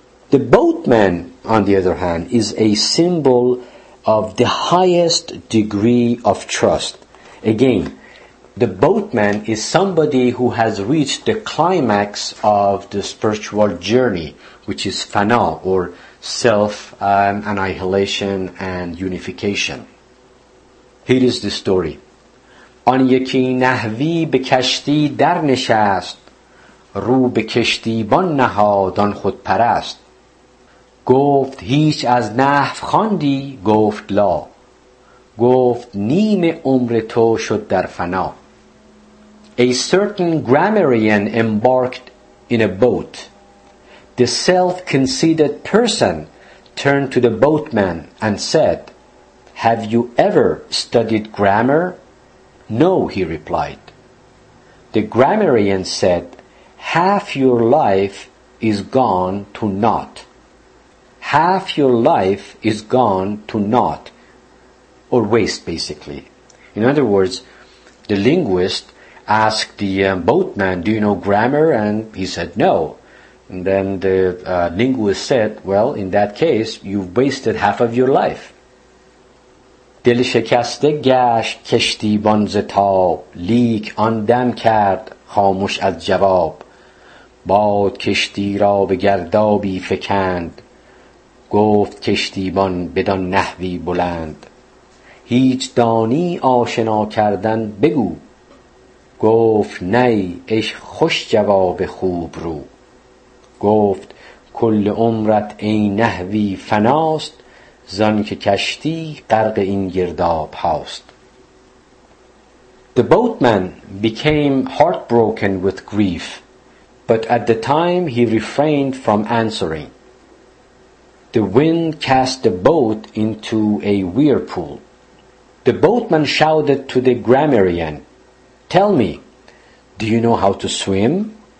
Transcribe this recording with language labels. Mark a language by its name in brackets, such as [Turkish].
[English] The boatman, on the other hand, is a symbol of the highest degree of trust. Again, the boatman is somebody who has reached the climax of the spiritual journey, which is fana, or self-annihilation and unification. Here is the story. [Persian] آن یکی نحوی به کشتی در نشست، رو به کشتی بان نهاد آن خود پرست. گفت هیچ از نحو خواندی؟ گفت لا. گفت نیم عمر تو شد در فنا. [English] A certain grammarian embarked in a boat. The self-conceited person turned to the boatman and said, Have you ever studied grammar? No, he replied. The grammarian said, Half your life is gone to naught. Half your life is gone to naught, or waste, basically. In other words, the linguist asked the boatman, Do you know grammar? And he said, No. And then the linguist said, Well, in that case, you've wasted half of your life. [Persian] دل شکسته گشت کشتیبان ز تاب، لیک آن دم کرد خاموش از جواب. باد کشتی را به گردابی فکند، گفت کشتیبان بدان نحوی بلند. هیچ دانی آشنا کردن بگو، گفت نی اش خوش جواب خوب رو. گفت کل عمرت این نحوی فناست، زن که کشتی غرق این گرداب هاست. [English] The boatman became heartbroken with grief, but at the time he refrained from answering. The wind cast the boat into a whirlpool. The boatman shouted to the grammarian, Tell me, do you know how to swim?